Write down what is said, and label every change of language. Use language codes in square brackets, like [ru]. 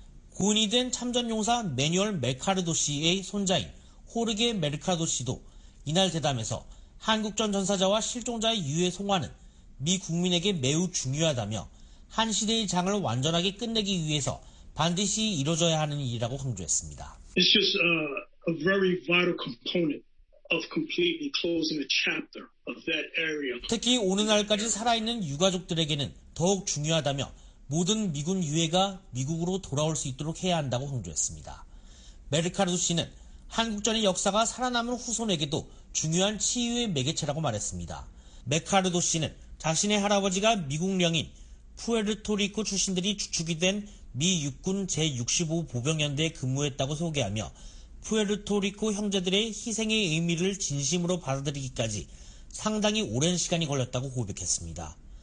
[ko] 군이 된 참전용사 매뉴얼 메카르도 씨의 손자인 호르게 메르카르도 씨도 이날 대담에서 한국전 전사자와 실종자의 유해 송환은 미 국민에게 매우 중요하다며 한 시대의 장을 완전하게 끝내기 위해서 반드시 이루어져야 하는 일이라고 강조했습니다. [en] It's just a very vital component of completely closing a chapter of that area. [ko] 특히 오늘날까지 살아있는 유가족들에게는 더욱 중요하다며 모든 미군 유해가 미국으로 돌아올 수 있도록 해야 한다고 강조했습니다. 메르카르도 씨는 한국전의 역사가 살아남은 후손에게도 중요한 치유의 매개체라고 말했습니다. 메카르도 씨는 자신의 할아버지가 미국 령인 푸에르토리코 출신들이 주축이 된 미 육군 제65 보병연대에 근무했다고 소개하며 푸에르토리코 형제들의 희생의 의미를 진심으로 받아들이기까지 상당히 오랜 시간이 걸렸다고 고백했습니다.